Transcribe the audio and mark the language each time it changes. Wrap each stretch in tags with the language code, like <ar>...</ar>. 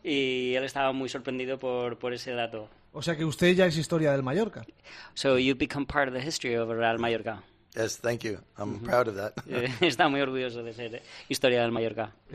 <es>Y él estaba muy sorprendido por ese dato. O sea que usted ya es historia del Mallorca.</es> <en>So you become part of the history of Real Mallorca. Yes, thank you. I'm mm-hmm. proud of that.</en> <es>Está muy orgulloso de ser historia del Mallorca.</es>